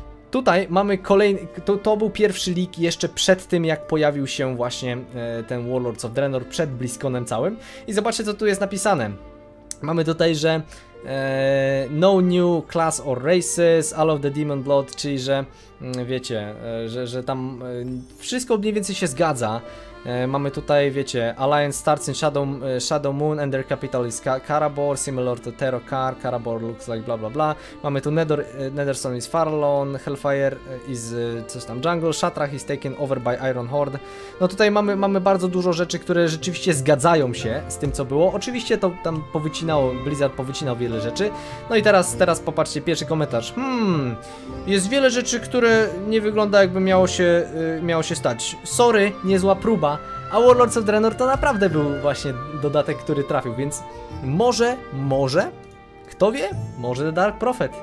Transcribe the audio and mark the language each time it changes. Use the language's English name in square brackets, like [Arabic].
[Polish] Tutaj mamy kolejny, to był pierwszy leak jeszcze przed tym, jak pojawił się właśnie ten Warlords of Draenor, przed BlizzConem całym. I zobaczcie, co tu jest napisane. Mamy tutaj, że [English] no new class or races, all of the demon blood, [Polish] czyli że wiecie, że tam wszystko mniej więcej się zgadza. Mamy tutaj, wiecie, [English] Alliance starts in Shadow Moon and their capital is Karabor, similar to Terror Car, Karabor looks like bla bla bla. [Polish] Mamy tu [English] Netherstone is Farallon, Hellfire is [Polish] coś tam [English] jungle, Shatrach is taken over by Iron Horde. [Polish] No tutaj mamy bardzo dużo rzeczy, które rzeczywiście zgadzają się z tym, co było. Oczywiście to tam Blizzard powycinał wiele rzeczy. No i teraz popatrzcie, pierwszy komentarz. Jest wiele rzeczy, które nie wygląda, jakby miało się stać. Sorry, niezła próba. A Warlords of Draenor to naprawdę był właśnie dodatek, który trafił, więc może, kto wie, może The Dark Prophet.